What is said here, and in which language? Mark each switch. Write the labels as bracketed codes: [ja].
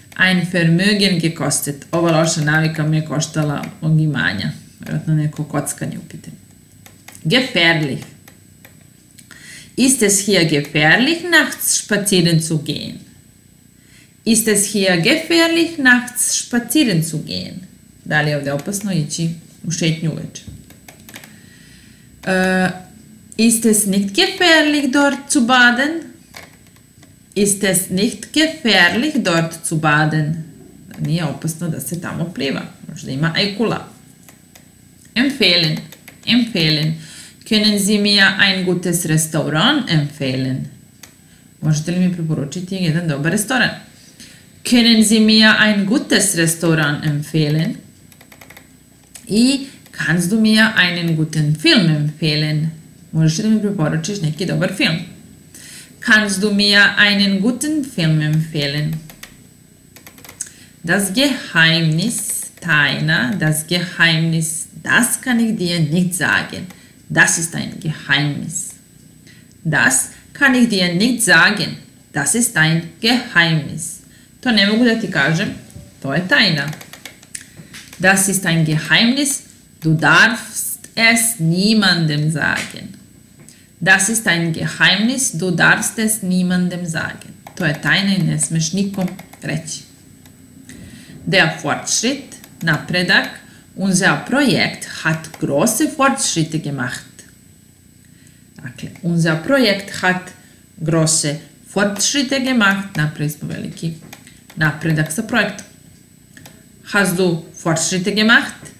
[de] Ein Vermögen gekostet. [sr] Ova loša navika me je koštala mog imanja. Vjerojatno neko kockanje u pitanju. Gefährlich. [de] Ist es hier gefährlich, nachts spazieren zu gehen? Ist es hier gefährlich, nachts spazieren zu gehen? [sr] Da li je ovdje opasno ići u šetnju uveč? [de] Ist es nicht gefährlich, dort zu baden? Ist es nicht gefährlich, dort zu baden? [sr] Nije opasno da se tamo pliva. Možda ima ajkula. Empfehlen. [de] Können Sie mir ein gutes Restaurant empfehlen? [sr] Možete li mi preporučiti jedan dobar restoran? [de] Können Sie mir ein gutes Restaurant empfehlen? I kannst du mir einen guten Film empfehlen? [sr] Možeš li mi preporučiš neki dobar film? [de] Kannst du mir einen guten Film empfehlen? Das Geheimnis, tajna, das Geheimnis, das kann ich dir nicht sagen. Das ist ein Geheimnis. Das kann ich dir nicht sagen. Das ist ein Geheimnis. [sr] To ne mogu da ti kažem, to je tajna. [de] Das ist ein Geheimnis, du darfst es niemandem sagen. Das ist ein Geheimnis, du darfst es niemandem sagen. [sr] To je tajna i ne smeš nikom reći. [de] Der Fortschritt, napredak, unser Projekt hat große Fortschritte gemacht. Dakle, unser Projekt hat große Fortschritte gemacht. [sr] Napredak smo veliki. Napredak sa projektom. [de] Hast du Fortschritte gemacht?